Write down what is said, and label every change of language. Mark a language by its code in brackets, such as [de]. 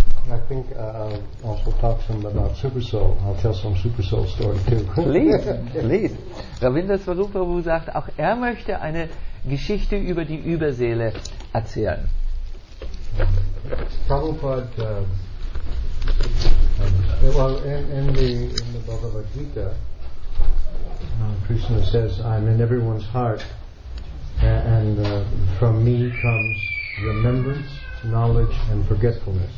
[en] I think I'll also talk some about Super Soul. I'll tell some Super Soul story too. Please. [de] Raminda Swarup Prabhu sagt, auch möchte eine Geschichte über die Überseele erzählen. [en] Prabhupada, in the Bhagavad Gita, Krishna says, I'm in everyone's heart, and from me comes remembrance, knowledge and forgetfulness.